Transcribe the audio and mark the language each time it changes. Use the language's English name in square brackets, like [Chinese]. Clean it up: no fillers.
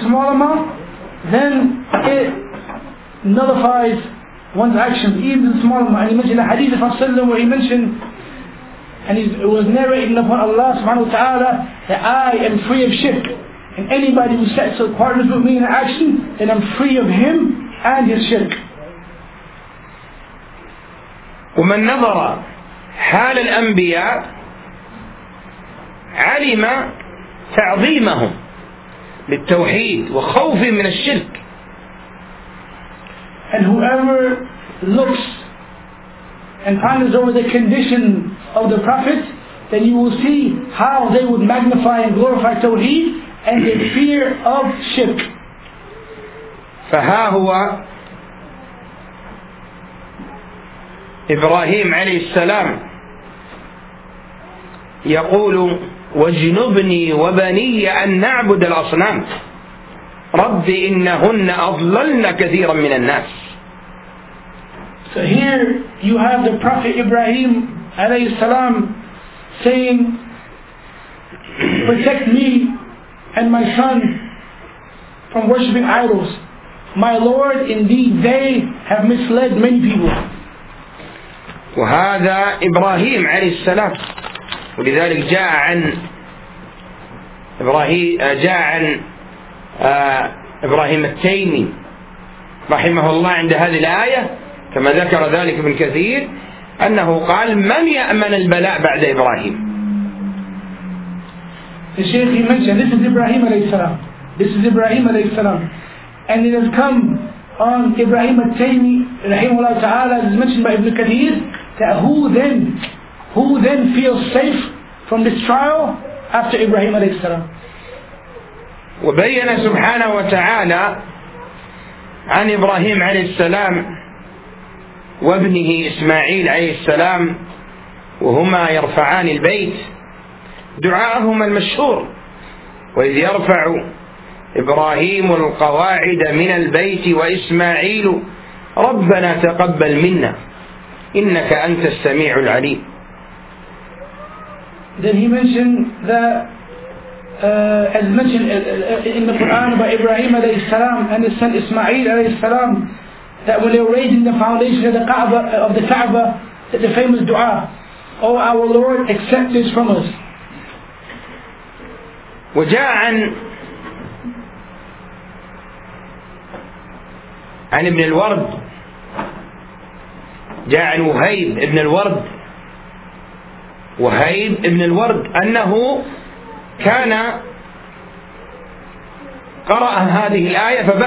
[English] amount, then it nullifies one's actions, even the small amount. And he mentioned the hadith of Rasulullah where he mentioned, and it was narrated upon Allah subhanahu wa ta'ala, that I am free of shirk. And anybody who sets up partners with me in action, then I'm free of him and his shirk. [Arabic] ومن نظر حال الأنبياء علم تعظيمهم للتوحيد وخوف من الشرك. [English] And whoever looks and ponders over the condition of the Prophet, then you will see how they would magnify and glorify tawheed and the fear of shirk. [Arabic] فها هو إبراهيم عليه السلام يقول واجنبني وبني أن نعبد الأصنام رب إنهن أضللن كثيرا من الناس. [English] So here you have the Prophet Ibrahim عليه السلام saying protect me and my son from worshipping idols. My Lord, indeed they have misled many people. [Arabic] وهذا إبراهيم عليه السلام. ولذلك جاء عن إبراهيم جاء عن إبراهيم التيمي رحمه الله عند هذه الآية كما ذكر ذلك ابن كثير أنه قال من يأمن البلاء بعد إبراهيم. [English] The Shaykh, he mentioned, this is Ibrahim alayhi salam. This is Ibrahim alayhi salam. And it has come on Ibrahim al-Taymi, rahimahullah ta'ala, as mentioned by Ibn Kathir, that who then feels safe from this trial after Ibrahim alayhi salam? [Arabic] وَبَيَّنَ سُبْحَانَهُ وَتَعَالَى عَنْ إِبْرَاهِيمَ عَلَيْهِ السَّلَامِ وَابْنِهِ إِسْمَاعِيلَ عَلَيْهِ السَّلَامِ وَهُمَا يَرْفَعَانِ الْبَيْتِ دعاءهما المشهور وإذ يرفع إبراهيم القواعد من البيت وإسماعيل ربنا تقبل منا إنك أنت السميع العليم. [English] Then he mentioned that as mentioned in the Quran by Ibrahim عليه السلام and his son Ismail عليه السلام that when they were raising the foundation of the Kaaba that the famous dua, Oh our Lord, accept this from us. [Arabic] وجاء عن ابن الورد جاء عن وهيب ابن الورد وهيب ابن الورد أنه كان قرأ هذه الآية